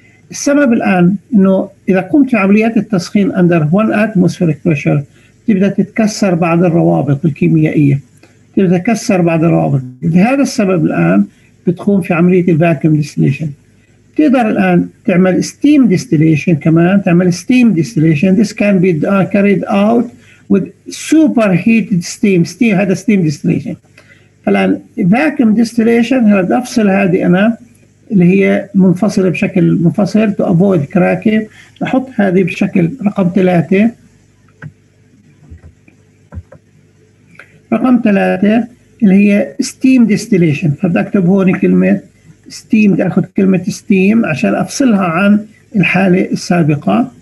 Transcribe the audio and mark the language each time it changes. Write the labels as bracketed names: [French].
[Arabic] السبب الآن أنه إذا قمت في عمليات التسخين [English] under one atmospheric pressure [Arabic] تبدأ تتكسر بعض الروابط الكيميائية، تبدأ تكسر بعض الروابط. لهذا السبب الآن بتقوم في عملية الفاكيوم ديستليشن. تقدر الآن تعمل ستيم ديستليشن، كمان تعمل ستيم ديستليشن. [English] This can be carried out with super heated steam. [Arabic] Steam هذا ستيم ديستليشن. فالآن vacuum distillation هل أفصل هذه أنا اللي هي منفصلة بشكل منفصل [English] to avoid cracking، [Arabic] أحط هذه بشكل رقم ثلاثة. رقم ثلاثة اللي هي steam distillation، فبدأ أكتب هون كلمة steam، بدأ أخذ كلمة steam عشان أفصلها عن الحالة السابقة.